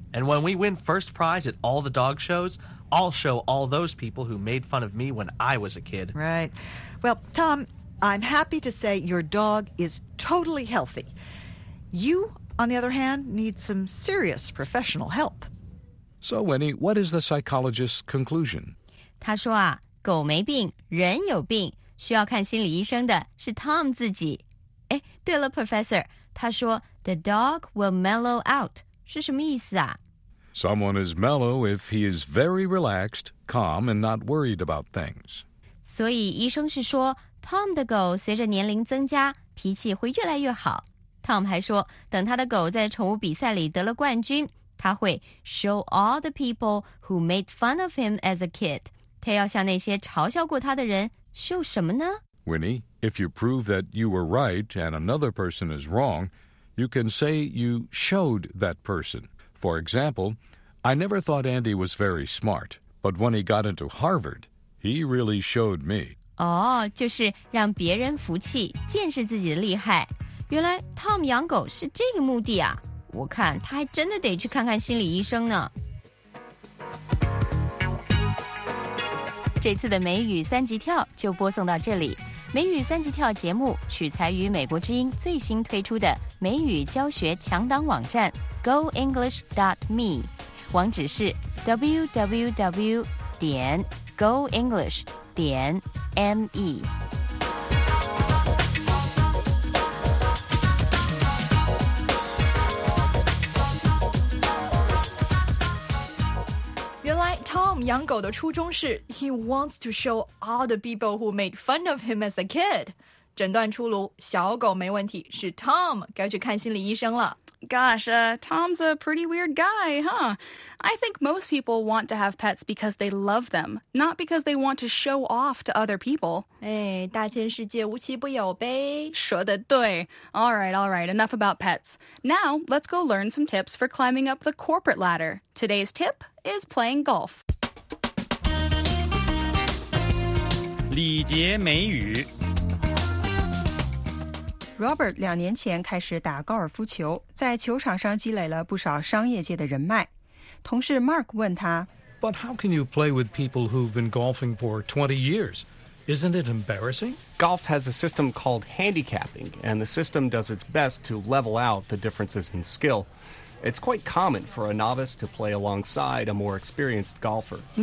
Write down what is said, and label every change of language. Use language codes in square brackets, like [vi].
[en] And when we win first prize at all the dog shows, I'll show all those people who made fun of me when I was a kid. Right. Well, Tom, I'm happy to say your dog is totally healthy. You, on the other hand, need some serious professional help. So, Winnie, what is the psychologist's conclusion? [zh] 他说啊狗没病，人有病，需要看心理医生的是 Tom 自己。哎，对了 ，Professor， 他说 [en] "the dog will mellow out" [zh] 是什么意思啊 [en] Someone is mellow if he is very relaxed, calm, and not worried about things. [zh] 所以医生是说 ,Tom 的狗随着年龄增加脾气会越来越好。 Tom 还说等他的狗在宠物比赛里得了冠军他会 [en] show all the people who made fun of him as a kid. [zh] 他要向那些嘲笑过他的人 show 什么呢 [en] ?Winnie, if you prove that you were right and another person is wrong, you can say you showed that person. For example, I never thought Andy was very smart, but when he got into Harvard, he really showed me. [zh] 哦、oh, 就是让别人服气见识自己的厉害。原来 Tom 养狗是这个目的啊我看他还真的得去看看心理医生呢。这次的美语三级跳就播送到这里。美语三级跳节目取材于美国之音最新推出的美语教学强档网站 goenglish.me 网址是 www.goenglish.me [en] Tom [zh] 养狗的初衷是 [en] He wants to show all the people who made fun of him as a kid. [zh] 诊断出炉，小狗没问题，是 Tom 该去看心理医生了。 [en] Gosh, Tom's a pretty weird guy, huh? I think most people want to have pets because they love them, not because they want to show off to other people. [zh] 哎，大千世界无奇不有呗。说的对。 [en] All right, enough about pets. Now, let's go learn some tips for climbing up the corporate ladder. Today's tip is playing golf. [zh] 礼节美语。 Robert 两年前开始打高尔夫球，在球场上积累了不少商业界的人脉。同事 Mark 问他 [en] But how can you play with people who've been golfing for 20 years? Isn't it embarrassing? Golf has a system called handicapping, and the system does its best to level out the differences in skill. It's quite common for a novice to play alongside a more experienced golfer.